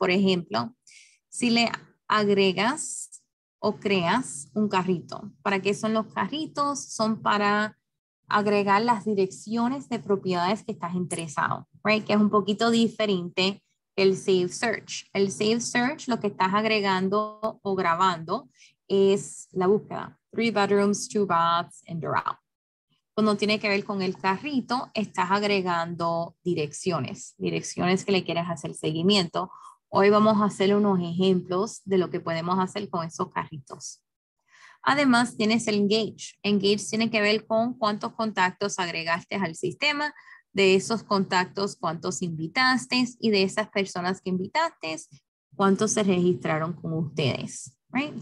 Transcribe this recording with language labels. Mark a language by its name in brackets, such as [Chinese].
[Spanish] Por ejemplo, si le agregas o creas un carrito. ¿Para qué son los carritos? Son para agregar las direcciones de propiedades que estás interesado, right? Que es un poquito diferente el Safe Search. El Safe Search, lo que estás agregando o grabando, es la búsqueda. [English] 3 bedrooms, 2 baths, and they're out. [Spanish] Cuando tiene que ver con el carrito, estás agregando direcciones, direcciones que le quieres hacer seguimiento. Hoy vamos a hacer unos ejemplos de lo que podemos hacer con esos carritos. Además, tienes el engage. Engage tiene que ver con cuántos contactos agregaste al sistema, de esos contactos, cuántos invitaste, y de esas personas que invitaste, cuántos se registraron con ustedes. Right?